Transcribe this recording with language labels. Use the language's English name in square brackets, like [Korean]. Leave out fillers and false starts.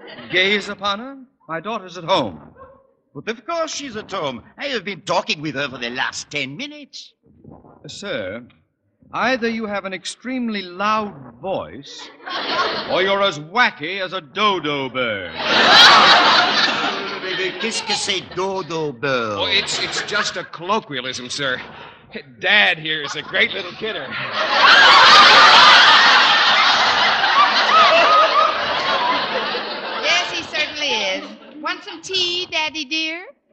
[English] Gaze upon her? My daughter's at home. But of course she's at home. I have been talking with her for the last 10 minutes. Sir, Either you have an extremely loud voice, or you're as wacky as a dodo bird. [French] Qu'est-ce que c'est [English] dodo bird? Oh, it's just a colloquialism, sir. Dad here is a great little kidder. Yes, he certainly is. Want some tea, Daddy dear?